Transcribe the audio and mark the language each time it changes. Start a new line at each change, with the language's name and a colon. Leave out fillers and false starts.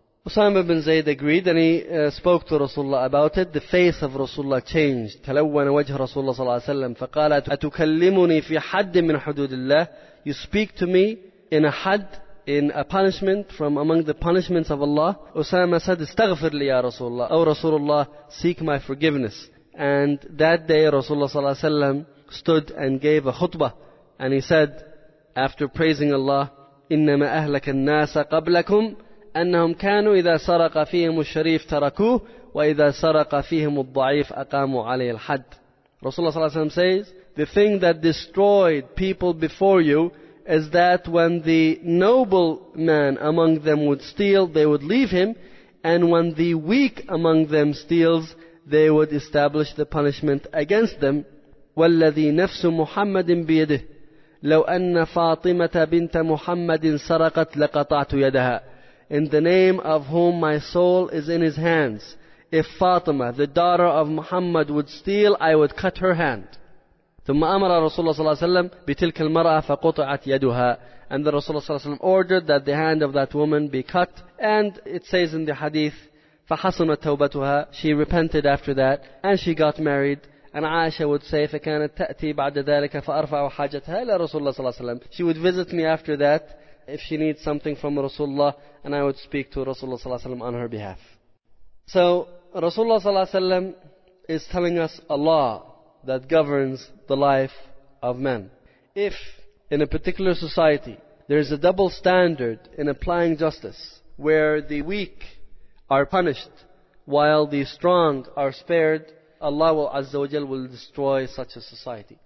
English: Usama bin Zayd agreed and he spoke to Rasulullah about it. The face of Rasulullah changed.
Arabic: تَلَوَّنَ وَجْهَ رَسُولَّهُ صَلَّى اللَّهُ عَلَيْهِ وَسَلَّمَ فَقَالَ أَتُكَلِّمُنِي فِي حَدٍ مِّنْ حُدُودِ اللَّهِ
English: You speak to me in a had, in a punishment from among the punishments of Allah. Usama said,
Arabic: استغفر لي يا رسول الله.
English: Oh Rasulullah, seek my forgiveness. And that day Rasulullah صلى الله عليه وسلم stood and gave a khutbah. And he said, after praising Allah,
Arabic: إِنَّمَا أَهْلَكَ النَّاسَ قَبْلَكُمْ أنهم كانوا إذا سرق فيهم الشريف تركوه وإذا سرق فيهم الضعيف أقاموا عليه الحد.
English: Rasulullah صلى الله عليه وسلم says, the thing that destroyed people before you is that when the noble man among them would steal, they would leave him, and when the weak among them steals, they would establish the punishment against them.
Arabic: والذي نفس محمد بيده لو أن فاطمة بنت محمد سرقت لقطعت يدها.
English: in the name of whom my soul is in his hands. If Fatima, the daughter of Muhammad, would steal, I would cut her hand.
Arabic: ثم أمر رسول الله صلى الله عليه وسلم بتلك المرأة فقطعت يدها.
English: And the Rasulullah صلى الله عليه وسلم ordered that the hand of that woman be cut. And it says in the hadith,
Arabic: فحصنت توبتها.
English: She repented after that and she got married. And Aisha would say,
Arabic: فكانت تأتي بعد ذلك فأرفع حاجتها إلى رسول الله صلى الله عليه وسلم.
English: She would visit me after that if she needs something from Rasulullah, and I would speak to Rasulullah صلى الله عليه وسلم on her behalf. So Rasulullah صلى الله عليه وسلم is telling us a law that governs the life of men. If in a particular society there is a double standard in applying justice, where the weak are punished while the strong are spared, Allah will, Azza wa Jal, will destroy such a society.